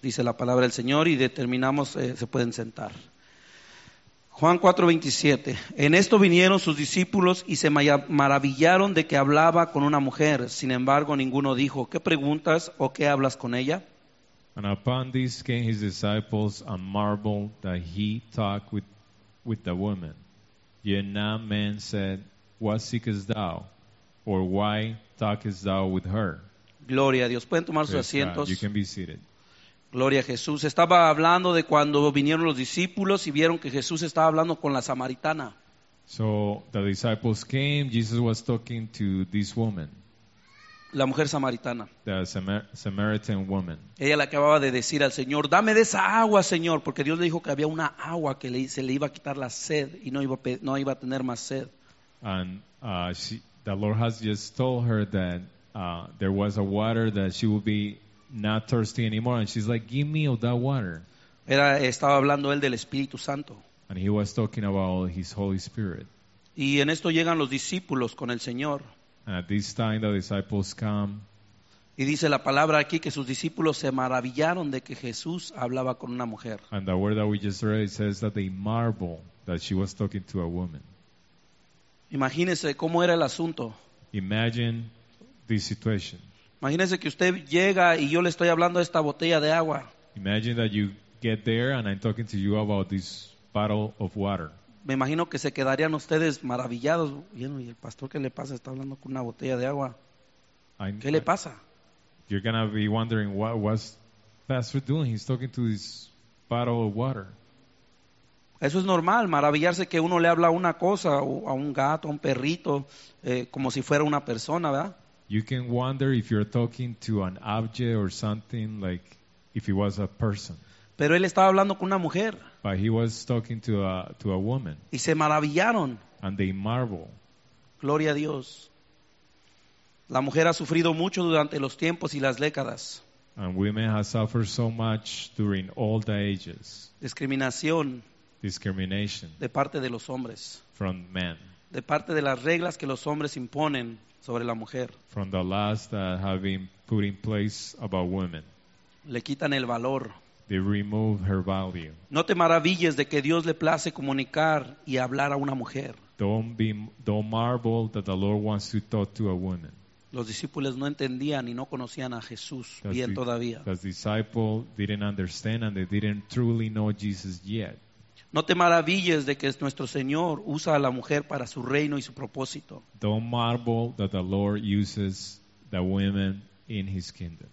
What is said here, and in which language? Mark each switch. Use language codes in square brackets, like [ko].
[es] Dice la palabra del Señor y determinamos, se pueden sentar. Juan 4:27. En esto vinieron sus discípulos y se maravillaron de que hablaba con una mujer. Sin embargo, ninguno dijo, ¿qué preguntas o qué hablas con ella? [en] And upon this came his disciples and marveled that he talked with the woman. Yet none man said, what seekest thou? Or why talkest thou with her? [es] Gloria a Dios. Pueden tomar sus asientos. [en] You can be seated. [es] Gloria a Jesús. Estaba hablando de cuando vinieron los discípulos y vieron que Jesús estaba hablando con la samaritana. [en] So the disciples came, Jesus was talking to this woman. [es] La mujer samaritana. [en] The Samaritan woman. [es] Ella le acababa de decir al Señor, dame de esa agua, Señor, porque Dios le dijo que había una agua que se le iba a quitar la sed y no iba a tener más sed. [en] And the Lord has just told her that there was a water that she would be not thirsty anymore. And she's like, give me of that water. [es] Estaba hablando él del Espíritu Santo. [en] And he was talking about his Holy Spirit. [es] Y en esto llegan los discípulos con el Señor. [en] And at this time the disciples come. [es] Y dice la palabra aquí que sus discípulos se maravillaron de que Jesús hablaba con una mujer. [en] And the word that we just read says that they marveled that she was talking to a woman. [es] Imagínese cómo era el asunto. [en] Imagine this situation. [es] Imagínese que usted llega y yo le estoy hablando de esta botella de agua. [en] Imagine that you get there and I'm talking to you about this bottle of water. [es] Me imagino que se quedarían ustedes maravillados. Y el pastor, ¿qué le pasa? Está hablando con una botella de agua. ¿Qué le pasa? [en] You're going to be wondering, what's pastor doing? He's talking to this bottle of water. [es] Eso es normal, maravillarse que uno le habla una cosa a un gato, a un perrito, como si fuera una persona, ¿verdad? [en] You can wonder if you're talking to an object or something, like if it was a person. [es] Pero él estaba hablando con una mujer. [en] But he was talking to a woman. [es] Y se maravillaron. [en] And they marveled. [es] Gloria a Dios. La mujer ha sufrido mucho durante los tiempos y las décadas. [en] And women have suffered so much during all the ages. [es] Discriminación. [en] Discrimination. [es] De parte de los hombres. [en] From men. [es] De parte de las reglas que los hombres imponen sobre la mujer. [en] From the laws that have been put in place about women. [es] Le quitan el valor. [en] They remove her value. [es] No te maravilles de que Dios le place comunicar y hablar a una mujer. [en] Don't marvel that the Lord wants to talk to a woman. [es] Los discípulos no entendían y no conocían a Jesús bien todavía. [en] The disciples didn't understand and they didn't truly know Jesus yet. [es] No te maravilles de que nuestro Señor usa a la mujer para su reino y su propósito. [en] Don't marvel that the Lord uses the women in his kingdom.